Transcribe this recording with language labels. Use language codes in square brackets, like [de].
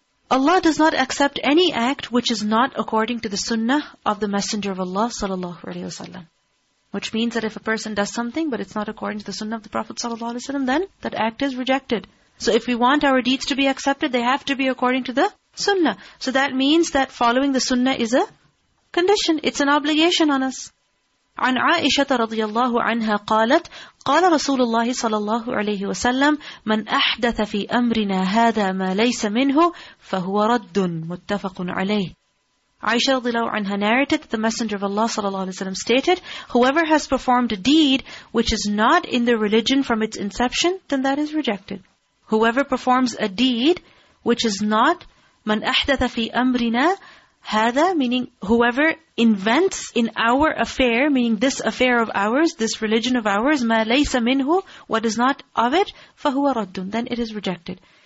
[en] Allah does not accept any act which is not according to the Sunnah of the Messenger of Allah sallallahu alaihi wasallam. Which means that if a person does something but it's not according to the Sunnah of the Prophet sallallahu alaihi wasallam, then that act is rejected. So if we want our deeds to be accepted, they have to be according to the Sunnah. So that means that following the Sunnah is a condition. It's an obligation on us. [ar] عن عائشة رضي الله عنها قالت قال رسول الله صلى الله عليه وسلم من أحدث في أمرنا هذا ما ليس منه فهو رد متفق عليه. [en] عائشة [ar] رضي الله عنها [en] narrated that the Messenger of Allah [ar] صلى الله عليه وسلم [en] stated, whoever has performed a deed which is not in the religion from its inception, then that is rejected. Whoever performs a deed which is not [ar] مَنْ أَحْدَثَ فِي أَمْرِنَا هَذَا, [en] meaning whoever invents in our affair, meaning this affair of ours, this religion of ours, [ar] مَا لَيْسَ مِنْهُ, [en] what is not of it, [ar] فَهُوَ رَدٌّ, [en] then it is rejected.